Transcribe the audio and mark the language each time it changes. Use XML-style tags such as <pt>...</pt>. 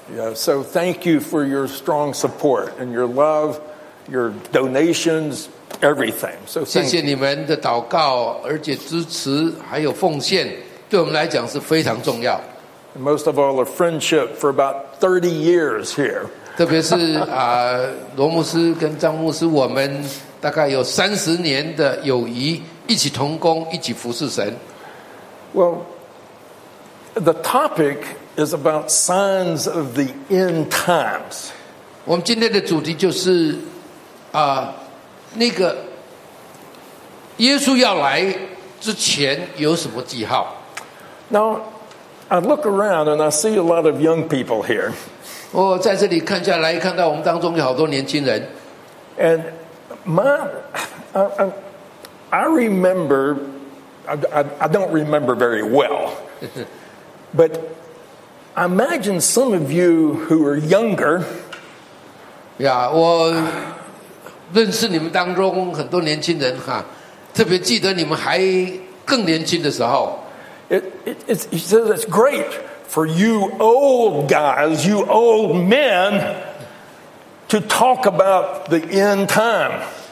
<en>Yeah, so thank you for your strong support and your love your donations everything so</en> <zh>谢谢你们的祷告而且支持还有奉献对我们来讲是非常重要</zh> <en>And most of all, a friendship for about 30 years here.</en> <zh>特别是罗牧师跟张牧师，我们大概有30年的友谊，一起同工，一起服侍神。</zh> <en>Well, the topic is about signs of the end times.</en> <zh>我们今天的主题就是，那个耶稣要来之前有什么记号？</zh> <en>Now, I look around and I see a lot of young people here.</en> <zh>我在这里看下来，看到我们当中有好多年轻人。</zh> <en>And I don't remember very well, but I imagine some of you who are younger.</en> <zh>Yeah, 我认识你们当中很多年轻人哈，特别记得你们还更年轻的时候。</zh> <en>He says it's great for you old guys, you old men, to talk about the end time.</en>